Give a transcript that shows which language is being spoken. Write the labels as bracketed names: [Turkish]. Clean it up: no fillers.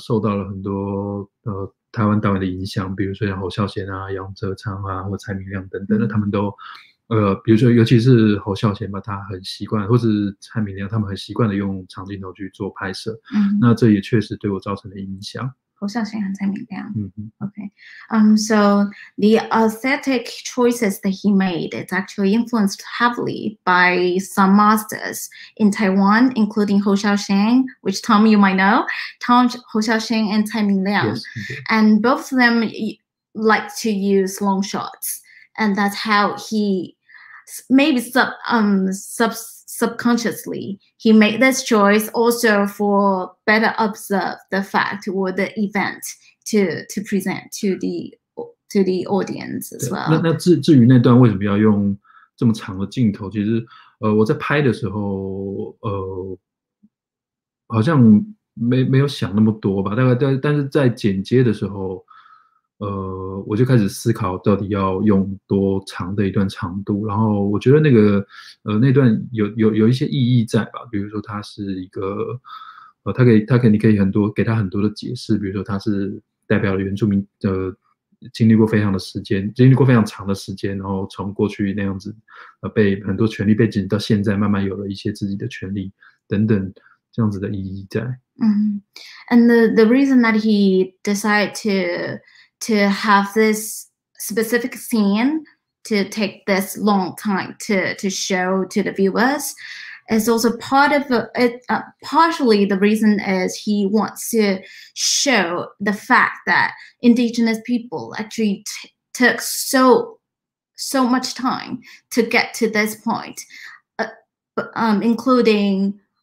[Chinese] 第一个就是我的电影语言受到了很多台湾导演的影响，比如说像侯孝贤啊、杨哲昌啊，或蔡明亮等等，那他们都，比如说尤其是侯孝贤吧，他很习惯，或是蔡明亮，他们很习惯的用长镜头去做拍摄，那这也确实对我造成了影响。 [English] 侯孝贤和蔡明亮，So the aesthetic choices that he made is actually influenced heavily by some masters in Taiwan, including Hou Xiaosheng, which Tom, you might know, Tom Hou Xiaosheng and Tai Mingliang. Yes, okay. And both of them like to use long shots. And that's how he, maybe subconsciously, he made this choice also for better observe the fact or the event to present to the audience as well. [Chinese] 那至于那段为什么要用这么长的镜头，其实我在拍的时候好像没有想那么多吧，大概但是在剪接的时候我就开始思考到底要用多长的一段长度，然后我觉得那个那段有一些意义在吧，比如说它是一个它可以你可以很多给它很多的解释，比如说它是代表了原住民的经历过非常长的时间，然后从过去那样子被很多权利被禁止到现在慢慢有了一些自己的权利等等这样子的意义在。 [English] And the reason that he decided to have this specific scene to take this long time to show to the viewers is also part of it. Partially the reason is he wants to show the fact that Indigenous people actually took so much time to get to this point, including